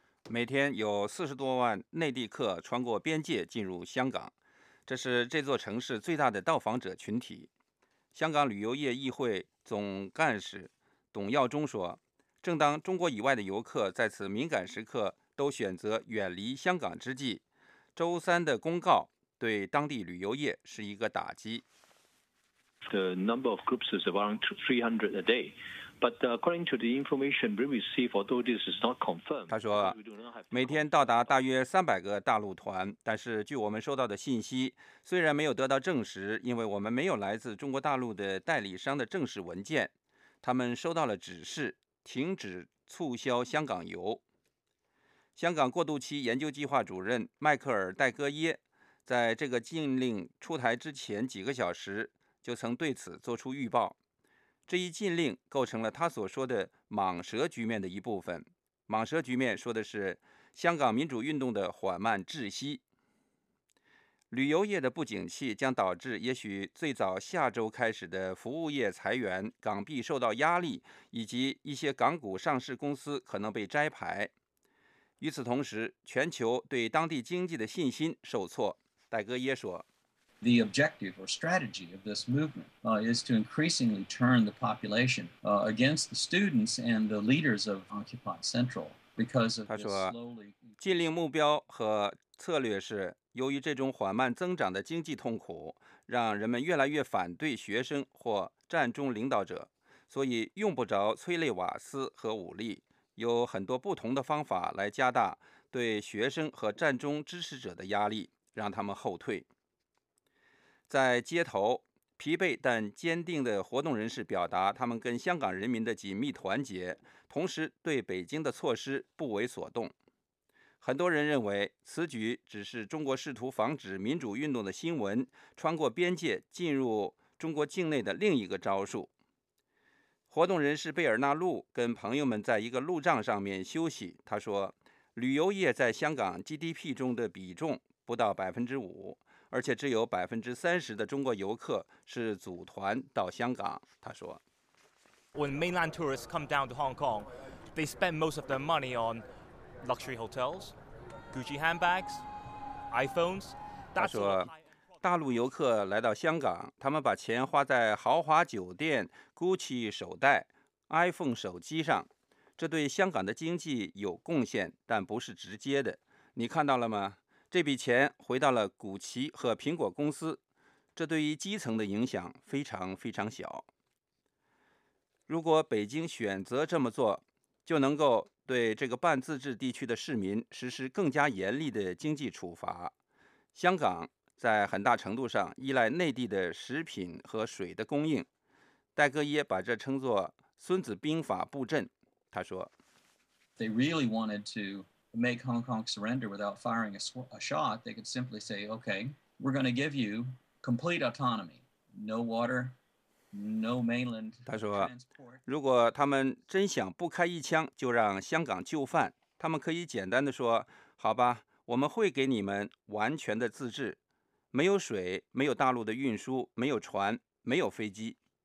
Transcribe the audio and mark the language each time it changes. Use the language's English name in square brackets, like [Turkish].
[Chinese] 每天有40多万内地客穿过边界进入香港，这是这座城市最大的到访者群体。香港旅游业议会总干事董耀忠说，正当中国以外的游客在此敏感时刻都选择远离香港之际，周三的公告对当地旅游业是一个打击。 [English] The number of groups is around 300 a day. But according to the information we receive, although this is not confirmed, [Chinese] 他说每天到达大约300个大陆团，但是据我们收到的信息，虽然没有得到证实，因为我们没有来自中国大陆的代理商的正式文件，他们收到了指示停止促销香港游。香港过渡期研究计划主任迈克尔·戴戈耶在这个禁令出台之前几个小时就曾对此做出预报，这一禁令构成了他所说的蟒蛇局面的一部分。蟒蛇局面说的是香港民主运动的缓慢窒息。旅游业的不景气将导致也许最早下周开始的服务业裁员、港币受到压力，以及一些港股上市公司可能被摘牌。与此同时，全球对当地经济的信心受挫，戴戈耶说。 [English] The objective or strategy of this movement is to increasingly turn the population against the students and the leaders of Occupy Central because of this slowly. [Chinese] 禁令目标和策略是，由于这种缓慢增长的经济痛苦，让人们越来越反对学生或战中领导者，所以用不着催泪瓦斯和武力，有很多不同的方法来加大对学生和战中支持者的压力，让他们后退。在街头，疲惫但坚定的活动人士表达他们跟香港人民的紧密团结，同时对北京的措施不为所动。很多人认为此举只是中国试图防止民主运动的新闻穿过边界进入中国境内的另一个招数。活动人士贝尔纳路跟朋友们在一个路障上面休息，他说旅游业在香港 GDP 中的比重不到 5%，而且只有30%的中国游客是组团到香港。他说 [English] When mainland tourists come down to Hong Kong, they spend most of their money on luxury hotels, Gucci handbags, iPhones. [Chinese] 他说大陆游客来到香港，他们把钱花在豪华酒店、 Gucci 手袋、 iPhone 手机上，这对香港的经济有贡献，但不是直接的。你看到了吗？这笔钱回到了谷歧和苹果公司，这对于基层的影响非常非常小。如果北京选择这么做，就能够对这个半自治地区的市民实施更加严厉的经济处罚。香港在很大程度上依赖内地的食品和水的供应，戴戈耶把这称作孙子兵法布阵。他说 [English] They really wanted to make Hong Kong surrender without firing a shot, they could simply say, okay, we're going to give you complete autonomy. No water, no mainland transport. [Chinese] 他说，如果他们真想不开一枪就让香港就范，他们可以简单的说，好吧，我们会给你们完全的自治，没有水，没有大陆的运输，没有船，没有飞机。